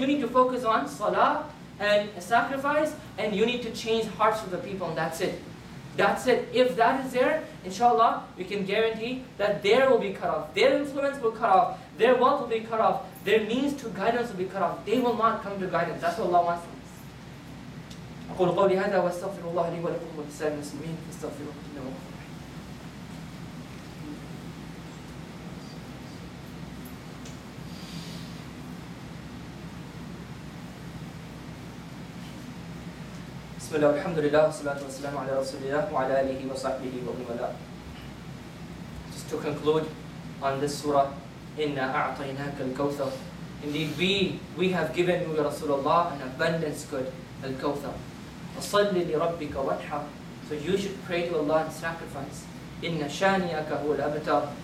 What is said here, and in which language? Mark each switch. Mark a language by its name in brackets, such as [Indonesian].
[English] You need to focus on salah and sacrifice, and you need to change hearts of the people, and that's it. That's it. If that is there, inshallah, we can guarantee that they will be cut off. Their influence will cut off. Their wealth will be cut off. Their means to guidance will be cut off. They will not come to guidance. That's what Allah wants from us. [Arabic] أقول قولي هذا واستغفر الله لي ولكم ولسائر المسلمين فاستغفروه إنه غفور رحيم. بسم الله والحمد لله والصلاة والسلام على رسول الله وعلى آله وصحبه ومن والاه. [English] Just to conclude on this surah, [Arabic] إِنَّا أَعْطَيْنَاكَ الْكَوْثَرَ. [English] Indeed, we have given you, Rasulullah, an abundance good, al-kawthar. [Arabic] وَصَلِّ لِرَبِّكَ وَانْحَرْ. [English] So you should pray to Allah and sacrifice. [Arabic] إِنَّ شَانِيَكَ هُوَ الْأَبْتَرَ.